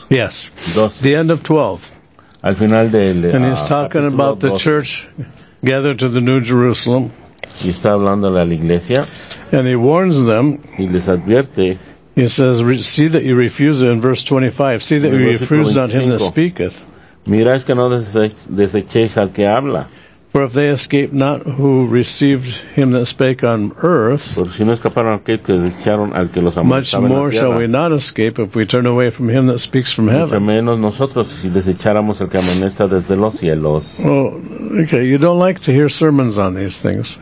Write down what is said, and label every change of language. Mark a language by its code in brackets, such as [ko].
[en] Yes. 12. The end of 12. [es] Al final del, [en] and he's talking about 12. The church gathered to the New Jerusalem. [es] Y está hablando a la iglesia. [en] And he warns them. [es] Y les advierte. [en] He says, see that you refuse it in verse 25. See that you refuse not him that speaketh. [es] Mira, es que no desechéis al que habla. [en] For if they escape not who received him that spake on earth, much more shall we not escape if we turn away from him that speaks from heaven. [es] Mucho menos nosotros si desecháramos el que amonesta desde los cielos. [en] Oh, okay, you don't like to hear sermons on these things.